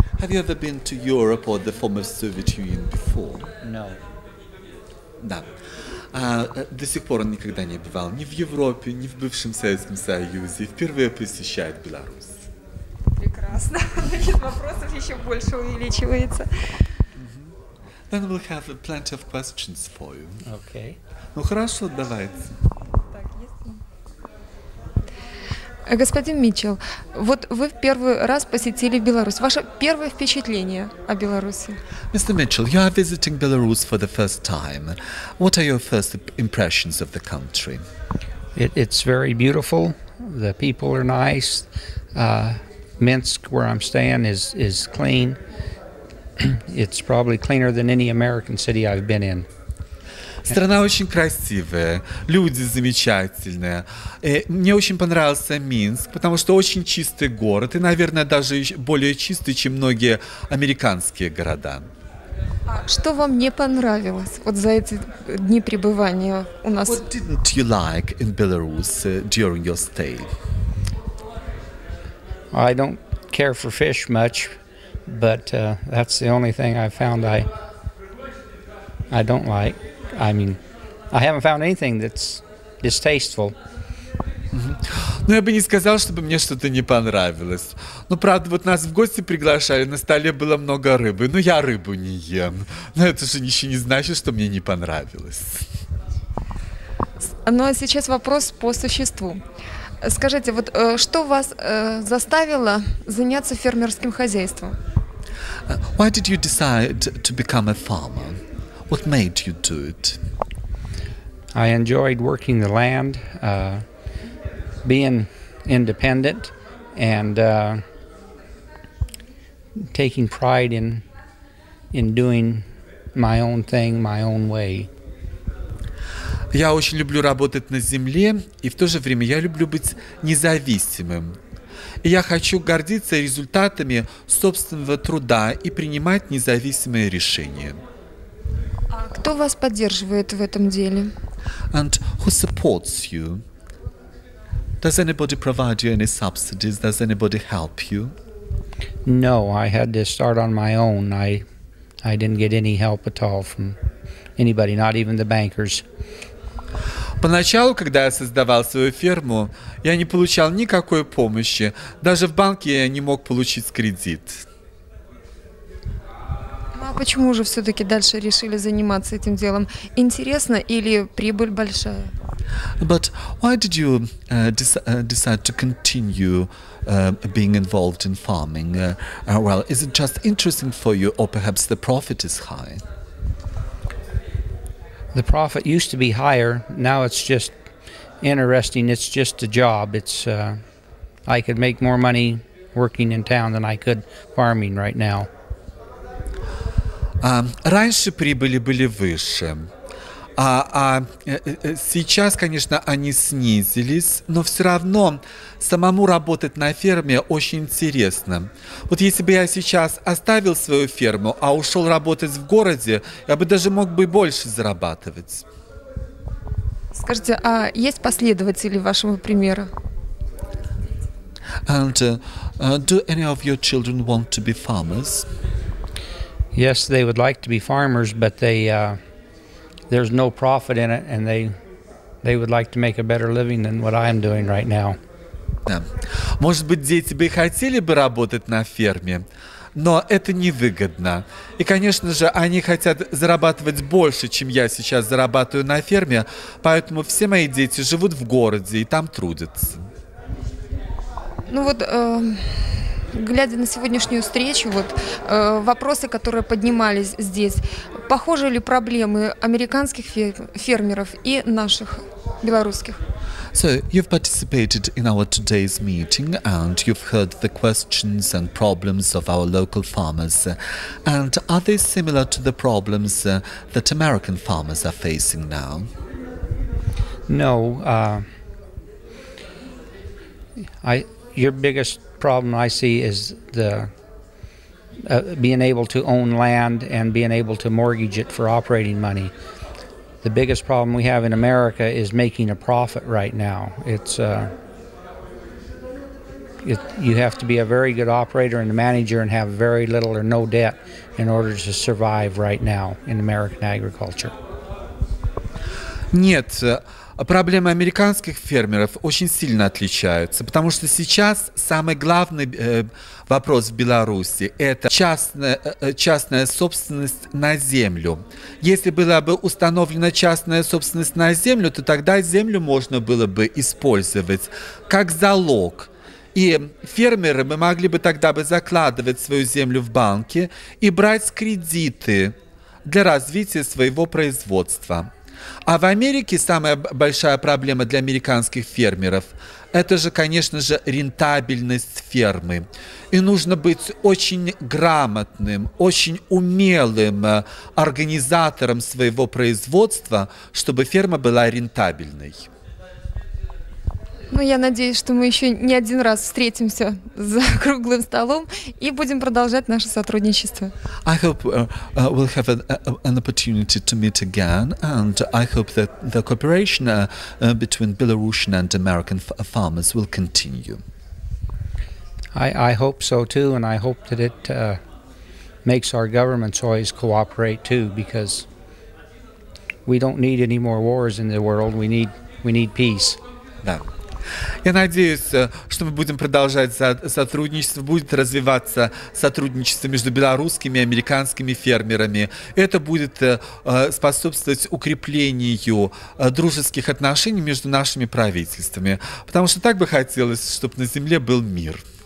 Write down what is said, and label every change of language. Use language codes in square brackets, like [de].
[en] Have you ever been to Europe or the former Soviet Union before? No. [ru] Да. До сих пор он никогда не бывал ни в Европе, ни в бывшем Советском Союзе. Впервые посещает Беларусь. Прекрасно. Значит, вопросов еще больше увеличивается. [en] Then we'll have plenty of questions for you. Okay. [ru] Ну хорошо, давайте. Господин Митчелл, вот вы в первый раз посетили Беларусь. Ваше первое впечатление о Беларуси? [en] Mr. Mitchell, you are visiting Belarus for the first time. What are your first impressions of the country? It's very beautiful. The people are nice. Minsk, where I'm staying, is clean. It's probably cleaner than any American city I've been in. [ru] Страна очень красивая, люди замечательные. Мне очень понравился Минск, потому что очень чистый город и, наверное, даже более чистый, чем многие американские города. А что вам не понравилось вот за эти дни пребывания у нас? [en] What didn't you like in Belarus during your stay? I don't care for fish much, but that's the only thing I found I don't like. I mean, I haven't found anything that's distasteful. [ru] Ну, я бы не сказал, чтобы мне что-то не понравилось. Ну, правда, вот нас в гости приглашали, на столе было много рыбы, но я рыбу не ем. Но это же еще не значит, что мне не понравилось. Ну, а сейчас вопрос по существу. Скажите, вот что вас заставило заняться фермерским хозяйством? [en] Why did you decide to become a farmer? What made you do it? I enjoyed working the land, being independent, and taking pride in doing my own thing, my own way. [ru] Я очень люблю работать на земле, и в то же время я люблю быть независимым. И я хочу гордиться результатами собственного труда и принимать независимые решения. Кто вас поддерживает в этом деле? [en] And who supports you? Does anybody provide you any subsidies? Does anybody help you? No, I had to start on my own. I didn't get any help at all from anybody, not even the bankers. [ru] Поначалу, когда я создавал свою ферму, я не получал никакой помощи. Даже в банке я не мог получить кредит. А почему же все-таки дальше решили заниматься этим делом? Интересно или прибыль большая? [en] But why did you decide to continue being involved in farming? Well, is it just interesting for you, or perhaps the profit is high? The profit used to be higher. Now it's just interesting. It's just a job. It's I could make more money working in town than I could farming right now. [ru] Раньше прибыли были выше, а сейчас, конечно, они снизились, но все равно самому работать на ферме очень интересно. Вот если бы я сейчас оставил свою ферму, а ушел работать в городе, я бы даже мог бы больше зарабатывать. Скажите, а есть последователи вашего примера? [en] And do any of your children want to be farmers? Yes, they would like to be farmers, but there's no profit in it, and they would like to make a better living than what I'm doing right now. [ru] Да. Может быть, дети бы хотели бы работать на ферме, но это невыгодно. И, конечно же, они хотят зарабатывать больше, чем я сейчас зарабатываю на ферме, поэтому все мои дети живут в городе и там трудятся. Ну вот... Глядя на сегодняшнюю встречу, вот вопросы, которые поднимались здесь, похожи ли проблемы американских фермеров и наших белорусских? [en] So you've participated in our today's meeting and you've heard the questions and problems of our local farmers. And are they similar to the problems that American farmers are facing now? No. Your biggest problem I see is the being able to own land and being able to mortgage it for operating money. The biggest problem we have in America is making a profit right now. It's you have to be a very good operator and a manager and have very little or no debt in order to survive right now in American agriculture. [ru] Нет, проблемы американских фермеров очень сильно отличаются, потому что сейчас самый главный вопрос в Беларуси – это частная собственность на землю. Если была бы установлена частная собственность на землю, то тогда землю можно было бы использовать как залог. И фермеры мы могли бы тогда бы закладывать свою землю в банке и брать кредиты для развития своего производства. А в Америке самая большая проблема для американских фермеров – это же, конечно же, рентабельность фермы. И нужно быть очень грамотным, очень умелым организатором своего производства, чтобы ферма была рентабельной. Ну, я надеюсь, что мы еще не один раз встретимся за круглым столом и будем продолжать наше сотрудничество. [en] I hope we'll have an opportunity to meet again, and I hope that the cooperation between Belarusian and American farmers will continue. I hope so too, and I hope that it makes our governments always cooperate too, because we don't need any more wars in the world. We need peace. [ru] Да. Я надеюсь, что мы будем продолжать сотрудничество, будет развиваться сотрудничество между белорусскими и американскими фермерами. Это будет способствовать укреплению дружеских отношений между нашими правительствами, потому что так бы хотелось, чтобы на земле был мир.